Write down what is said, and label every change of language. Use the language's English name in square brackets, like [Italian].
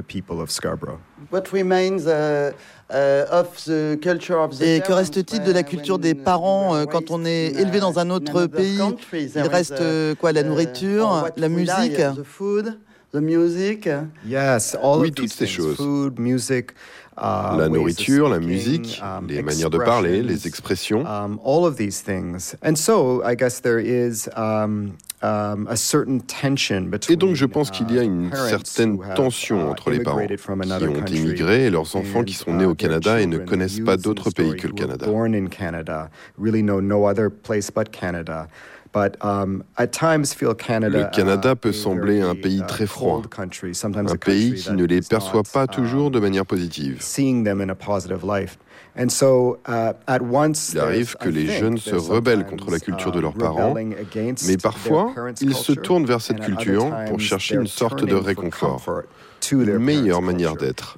[French] Et que reste-t-il de la culture des parents quand on est élevé dans un autre pays? Il reste quoi? La nourriture, la musique? Oui, toutes ces choses. La nourriture, la musique, les manières de parler, les expressions. [English] All of these things. And so, I guess there is a certain tension between. [French] Et donc, je pense qu'il y a une certaine tension entre les parents qui ont immigré et leurs enfants qui sont nés au Canada et ne connaissent pas d'autre pays que le Canada. [English] Born in Canada, really know no other place but Canada. [French] Le Canada peut sembler un pays très froid, un pays qui ne les perçoit pas toujours de manière positive. Il arrive que les jeunes se rebellent contre la culture de leurs parents, mais parfois, ils se tournent vers cette culture pour chercher une sorte de réconfort, une meilleure manière d'être.